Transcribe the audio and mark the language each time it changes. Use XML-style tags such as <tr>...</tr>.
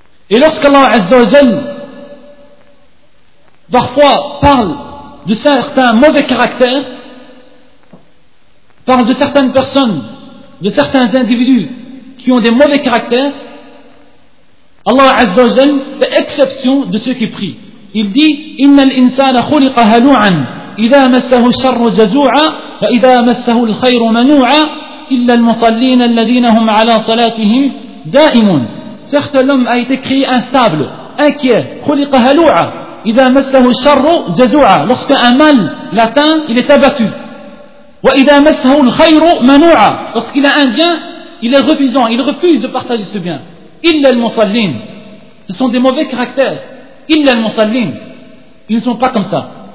<fr>Et lorsqu'Allah Azza wa Jal parfois parle de certains mauvais caractères, parle de certaines personnes, de certains individus qui ont des mauvais caractères, Allah Azza wa Jal fait exception de ceux qui prient.</fr> <ar>Il dit إن الإنسان خلق هلوعا إذا مسه الشر جزوعا وإذا مسه الخير منوعا إلا المصلين الذين هم على صلاتهم دائمون.</ar> <fr>Certes, l'homme a été créé instable, inquiet.</fr> <ar>خلق هلوعا إذا مسه الشر جزوعا,</ar> <fr>lorsqu'un mal l'atteint, il est abattu.</fr> <ar>وإذا مسه الخير منوعا,</ar> <fr>lorsqu'il a un bien, il est refusant, il refuse de partager ce bien.</fr> <ar>إلا المصلين,</ar> <fr>ce sont des mauvais caractères.</fr> <ar>إلا المصلين,</ar> <fr>ils ne sont pas comme ça.</fr>